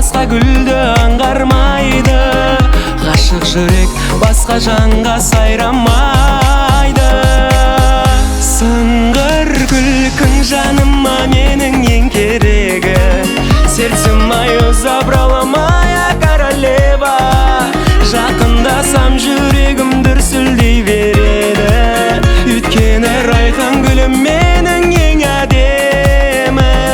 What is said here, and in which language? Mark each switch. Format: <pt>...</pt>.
<kk>Гүлді аңғармайды. Ғашық жүрек басқа жанға сайрамайды. Сыңғыр күлкін жаныма менің ең керегі.</kk> <ru>Сердце мое забрала моя королева.</ru> <kk>Жақындасам жүрегім дүрсілдей береді. Үйткені райхан гүлім менің ең әдемі.</kk>